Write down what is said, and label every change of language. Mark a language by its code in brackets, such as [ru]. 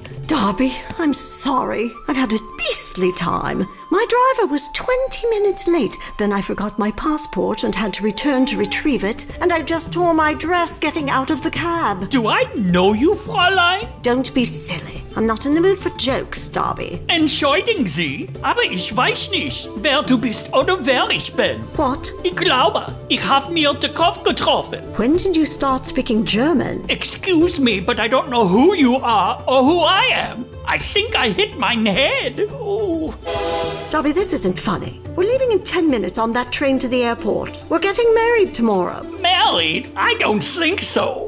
[en] Derby, I'm sorry. I've had a beastly time. My driver was 20 minutes late. Then I forgot my passport and had to return to retrieve it. And I just tore my dress getting out of the cab. Do I know you, Fräulein? Don't be silly. I'm not in the mood for jokes, Derby. [de] Entschuldigen Sie, aber ich weiß nicht, wer du bist oder wer ich bin. [en] What? [de] Ich glaube, ich habe mir den Kopf getroffen. [en] When did you start speaking German? Excuse me, but I don't know who you are or who I am. I think I hit my head. Ooh. Derby, this isn't funny. We're leaving in 10 minutes on that train to the airport. We're getting married tomorrow. Married? I don't think so.